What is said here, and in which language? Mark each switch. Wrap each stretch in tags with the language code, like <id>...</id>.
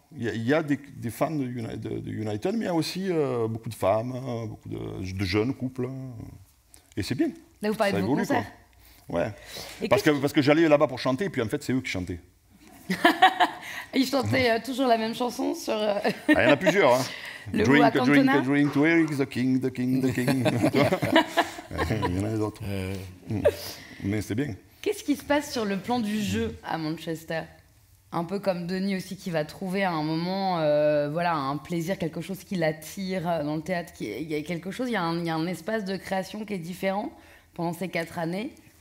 <fr>Il y a des fans de United, mais il y a aussi beaucoup de femmes, beaucoup de jeunes couples. Et c'est bien. Là, vous parlez de vos concerts. Ouais. Parce que j'allais là-bas pour chanter, et puis en fait, c'est eux qui chantaient. Ils chantaient toujours la même chanson sur... Il y en a plusieurs. Hein. Le</fr> <en>drink,</en> <fr>Cantona.</fr> <en>Drink, drink, drink, where is the king, the king, the king.</en> <fr>Il y en a d'autres. Mais c'est bien. Qu'est-ce qui se passe sur le plan du jeu à Manchester ? Un peu comme Denis aussi, qui va trouver à un moment un plaisir, quelque chose qui l'attire dans le théâtre. Il y a quelque chose, il y a un espace de création qui est différent pendant ces 4 années.</fr>